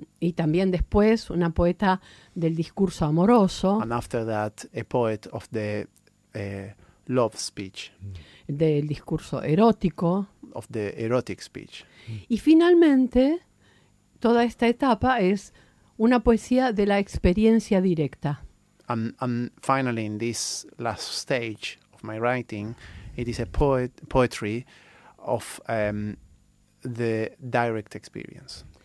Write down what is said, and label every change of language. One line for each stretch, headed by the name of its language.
Spanish: Y también después una poeta del discurso amoroso.
English: And after that a poet of the love speech.
Spanish: Del discurso erótico.
English: Of the erotic speech.
Spanish: Y finalmente toda esta etapa es una poesía de la experiencia directa.
English: And finally, in this last stage of my writing, it is a poetry of the direct experience.